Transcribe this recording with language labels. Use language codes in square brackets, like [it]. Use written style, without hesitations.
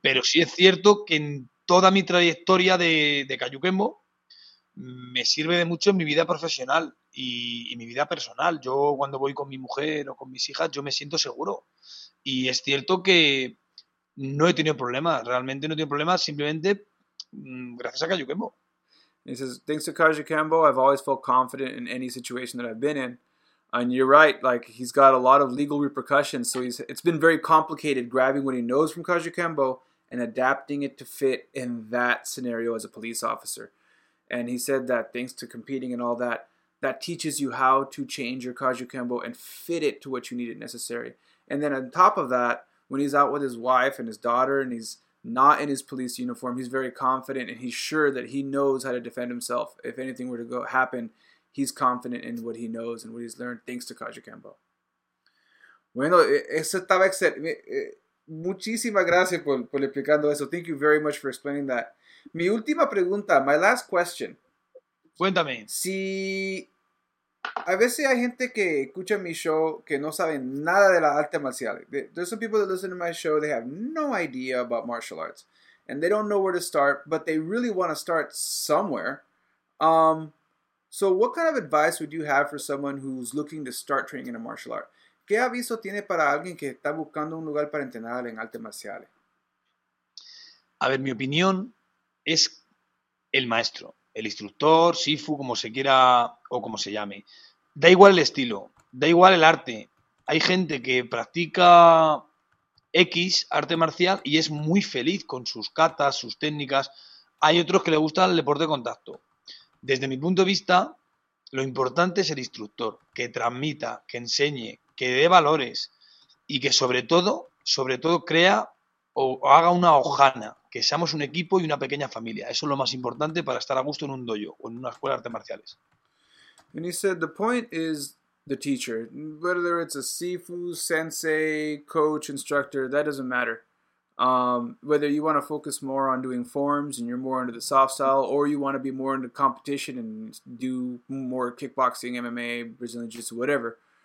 [es] Pero sí es cierto que en toda mi trayectoria de Kayukenbo me sirve de mucho en mi vida profesional y mi vida personal. Yo cuando voy con mi mujer o con mis hijas, yo me siento seguro. Y es cierto que no he tenido problemas, realmente no he tenido problemas, simplemente gracias a Kayukenbo. [en] He says, thanks to Kayukenbo, I've always felt confident in any situation that I've been in. And you're right, like, he's got a lot of legal repercussions, so it's been very complicated grabbing what he knows from Kayukenbo and adapting it to fit in that scenario as a police officer. And he said that thanks to competing and all that, that teaches you how to change your Kayukenbo and fit it to what you need it necessary. And then on top of that, when he's out with his wife and his daughter and he's not in his police uniform, he's very confident and he's sure that he knows how to defend himself. If anything were to go happen, he's confident in what he knows and what he's learned thanks to Kayukenbo. [es] Bueno, eso estaba excelente. Muchísimas gracias por explicando eso. [en] Thank you very much for explaining that. [es] Mi última pregunta, [en] my last question. [es] Cuéntame. Si a veces hay gente que escucha mi show que no sabe nada de la arte marcial. [en] There's some people that listen to my show, they have no idea about martial arts. And they don't know where to start, but they really want to start somewhere. So what kind of advice would you have for someone who's looking to start training in a martial art? [es] ¿Qué aviso tiene para alguien que está buscando un lugar para entrenar en artes marciales? A ver, mi opinión es el maestro, el instructor, Sifu, como se quiera o como se llame. Da igual el estilo, da igual el arte. Hay gente que practica X arte marcial y es muy feliz con sus katas, sus técnicas. Hay otros que le gusta el deporte de contacto. Desde mi punto de vista, lo importante es el instructor, que transmita, que enseñe, que dé valores y que sobre todo crea o haga una hojana, que seamos un equipo y una pequeña familia. Eso es lo más importante para estar a gusto en un dojo o en una escuela de artes marciales. [en] And he said the point is the teacher, whether it's a sifu, sensei, coach, instructor, that doesn't matter. Whether you want to focus more on doing forms and you're more into the soft style, or you want to be more into competition and do more kickboxing, MMA, Brazilian Jiu-Jitsu, whatever.